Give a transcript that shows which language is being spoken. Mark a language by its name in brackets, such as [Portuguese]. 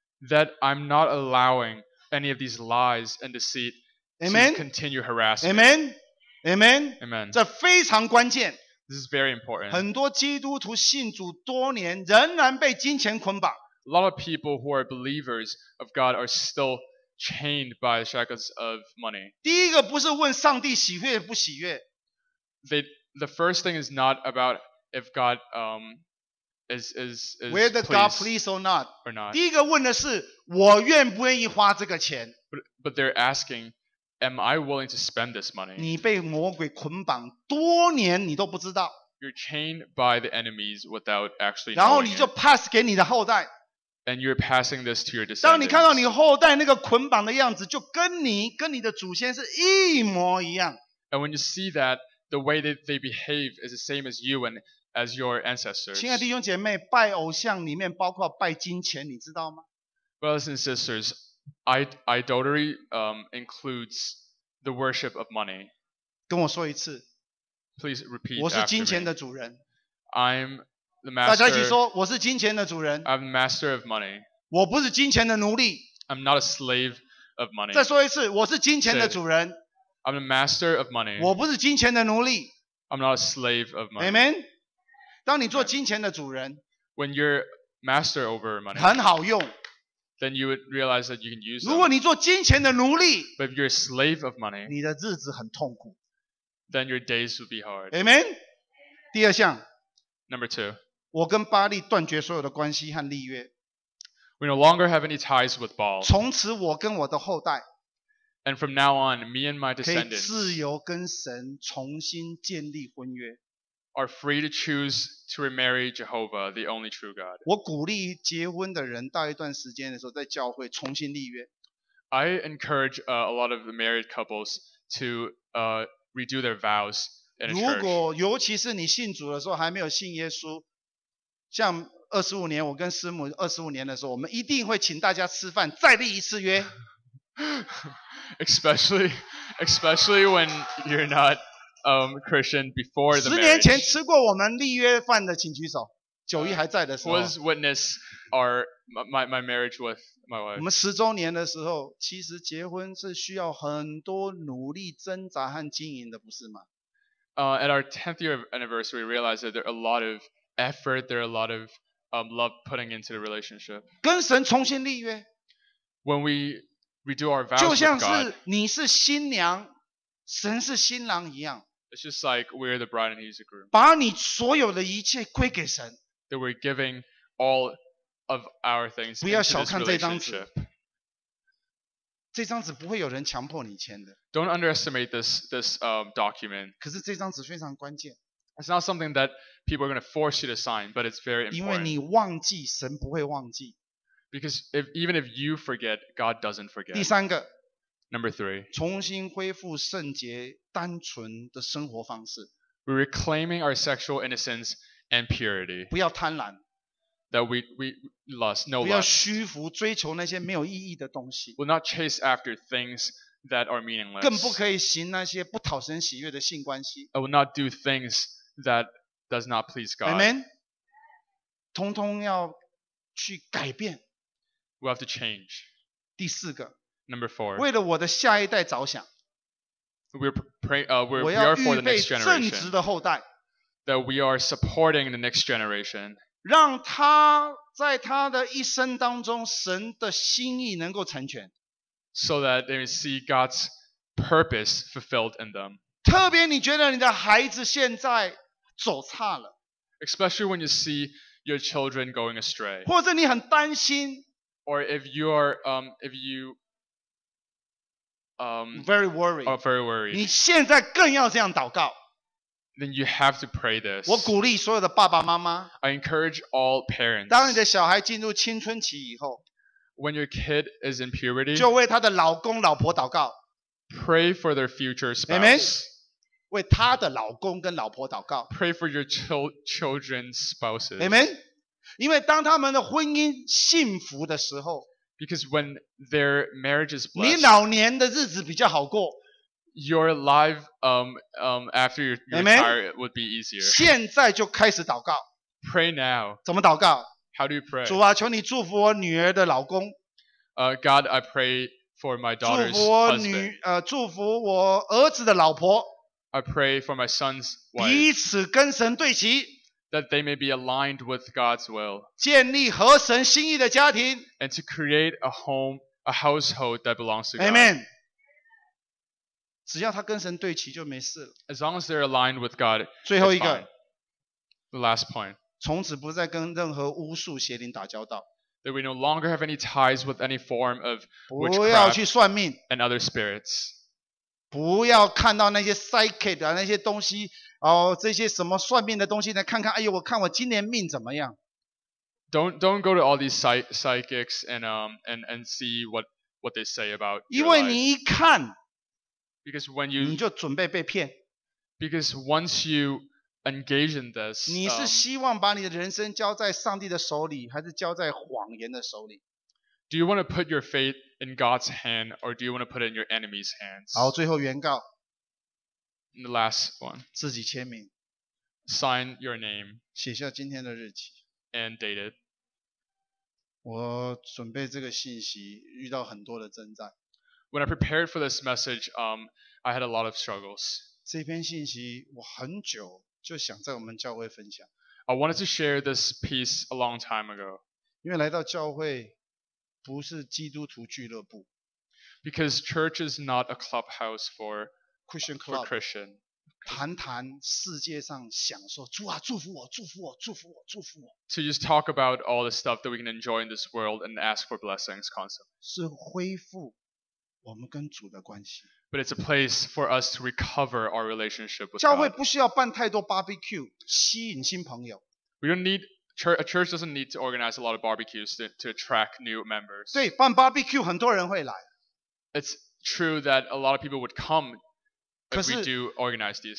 [English] That I'm not allowing any of these lies and deceit to continue harassing. Amen. Amen. Amen. [Chinese] 这非常关键。 [English] This is very important. [Chinese] 很多基督徒信主多年，仍然被金钱捆绑。 [English] A lot of people who are believers of God are still chained by the shackles of money. [Chinese] 第一个不是问上帝喜悦不喜悦。 [English] The first thing is not about if God is whether God pleased or not. [Chinese] 第一个问的是我愿不愿意花这个钱。 [English] But they're asking, am I willing to spend this money? [Chinese] 你被魔鬼捆绑多年你都不知道。 [English] You're chained by the enemies without actually knowing. [Chinese] 然后你就 pass 给你的后代。 [English] And you're passing this to your descendants. [Chinese] 当你看到你后代那个捆绑的样子，就跟你的祖先是一模一样。 [English] And when you see that, the way that they behave is the same as you and as your ancestors. [Chinese] 亲爱的弟兄姐妹，拜偶像里面包括拜金钱，你知道吗？ [English] Brothers and sisters, idolatry includes the worship of money. [Chinese] 跟我说一次。 [English] Please repeat after me. [Chinese] 我是金钱的主人。 [English] I'm the master, [Chinese] 大家一起说，我是金钱的主人。 [English] I'm master of money. [Chinese] 我不是金钱的奴隶。 [English] I'm not a slave of money. [Chinese] 再说一次，我是金钱的主人。 [English] I'm the master of money. [Chinese] 我不是金钱的奴隶。 [English] I'm not a slave of money. [Chinese] Amen. 当你做金钱的主人， [English] when you're master over money, [Chinese] 很好用。 [English] Then you would realize that you can use it. [Chinese] 如果你做金钱的奴隶， [English] but if you're a slave of money, [Chinese] 你的日子很痛苦。 [English] Then your days would be hard. [Chinese] Amen. 第二项。 [English] Number two. [Chinese] 我跟巴力断绝所有的关系和立约。 [English] We no longer have any ties with Baal. [Chinese] 从此我跟我的后代。 [English] And from now on, me and my descendants. [Chinese] 可以自由跟神重新建立婚约。 [English] Are free to choose to remarry Jehovah, the only true God. [Chinese] 我鼓励结婚的人到一段时间的时候在教会重新立约。 [English] I encourage a lot of the married couples to redo their vows in a church. [Chinese] 如果尤其是你信主的时候还没有信耶稣，像25年我跟师母25年的时候，我们一定会请大家吃饭再立一次约。 [English] especially when you're not Christian before the marriage. 10 [Chinese] 年前吃过我们立约饭的请举手，九一还在的时候。 [English] Was witness our my marriage with my wife. [Chinese] 我们十周年的时候，其实结婚是需要很多努力挣扎和经营的，不是吗？ [English] At our 10th year anniversary, we realized that there are a lot ofeffort, there are a lot of love putting into the relationship. [Chinese] 跟神重新立约。 [English] When we redo our vows, [Chinese] 就像是你是新娘，神是新郎一样。 [English] It's just like we're the bride and he's the groom. [Chinese] 把你所有的一切归给神。 [English] That we're giving all of our things into this relationship. [Chinese] 不要小看这张纸。这张纸不会有人强迫你签的。 [English] Don't underestimate this document. [Chinese] 可是这张纸非常关键。 [English] It's not something that people are going to force you to sign, but it's very important. [Chinese] 因为你忘记，神不会忘记。 [English] Because even if you forget, God doesn't forget. [Chinese] 第三个。 [English] Number three. [Chinese] 重新恢复圣洁单纯的生活方式。 [English] We're reclaiming our sexual innocence and purity. [Chinese] 不要贪婪。 [English] That we lust, no lust. [Chinese] 不要虚浮追求那些没有意义的东西。 [English] We'll not chase after things that are meaningless. [Chinese] 更不可以行那些不讨神喜悦的性关系。 [English] I will not do things that does not please God. [Chinese] Amen. 通通要去改变。 [English] We have to change. [Chinese] 第四个。 [English] Number four. [Chinese] 为了我的下一代着想。 [English] We are for the next generation. [Chinese] 正直的后代。 [English] That we are supporting the next generation. [Chinese] 让他在他的一生当中，神的心意能够成全。 [English] So that they may see God's purpose fulfilled in them. [Chinese] 特别你觉得你的孩子现在走差了。 [English] Especially when you see your children going astray. [Chinese] 或者你很担心。 [English] Or if you are, very worried. Or very worried. [Chinese] 你现在更要这样祷告。 [English] then you have to pray this. [Chinese] 我鼓励所有的爸爸妈妈。 [English] I encourage all parents. [Chinese] 当你的小孩进入青春期以后。 [English] When your kid is in puberty, [Chinese] 就为他的老公老婆祷告。 [English] Pray for their future spouse. Amen. [Chinese] 为他的老公跟老婆祷告。 [English] Pray for your children's spouses. Amen. [Chinese] 因为当他们的婚姻幸福的时候。 [English] Because when their marriage is blessed, [Chinese] 你老年的日子比较好过。 [English] Your life after your retire would be easier. [Chinese] 现在就开始祷告。 [English] Pray now. [Chinese] 怎么祷告？ [English] How do you pray? [Chinese] 主啊，求你祝福我女儿的老公。 [English] God, I pray for my daughter's husband. [Chinese] 祝福我儿子的老婆。 [English] I pray for my son's wife. [Chinese] 彼此跟神对齐。 [English] That they may be aligned with God's will. [Chinese] 建立合神心意的家庭。 [English] And to create a home, a household that belongs to God. Amen. [Chinese] 只要他跟神对齐就没事了。 [English] As long as they're aligned with God. [Chinese] 最后一个。 [English] The last point. [Chinese] 从此不再跟任何巫术邪灵打交道。 [English] That we no longer have any ties with any form of witchcraft. [Chinese] 不要去算命。 [English] And other spirits. [Chinese] 不要看到那些 psychic 的那些东西，哦，这些什么算命的东西来看看，哎呦，我看我今年命怎么样。 [English] Don't go to all these psychics and see what they say about your life. [Chinese] 因为你一看。 [English] Because when you. [Chinese] 你就准备被骗。 [English] Because once you. Engage in this. [Chinese] 你是希望把你的人生交在上帝的手里，还是交在谎言的手里？ [English] Do you want to put your faith in God's hand, or do you want to put it in your enemy's hands? [Chinese] 好，最后原告。 [English] The last one. [Chinese] 自己签名。 [English] Sign your name. [Chinese] 写下今天的日期。 [English] And date it. [Chinese] 我准备这个信息，遇到很多的征战。 [English] When I prepared for this message, I had a lot of struggles. [Chinese] 这篇信息我很久。就想在我们教会分享。 [English] I wanted to share this piece a long time ago. [Chinese] 因为来到教会不是基督徒俱乐部。 [English] Because church is not a clubhouse for Christian club. For Christian. [Chinese] 谈谈世界上享受，主啊，祝福我，祝福我，祝福我，祝福我。 [English] To just talk about all the stuff that we can enjoy in this world and ask for blessings constantly. [Chinese] 是恢复我们跟主的关系。 [English] But it's a place for us to recover our relationship with God. [Chinese] 教会不需要办太多 barbecue 吸引新朋友。 [English] We don't need a church doesn't need to organize a lot of barbecues to attract new members. [Chinese] 对，办 barbecue 很多人会来。 [English] It's true that a lot of people would come if we do organize these.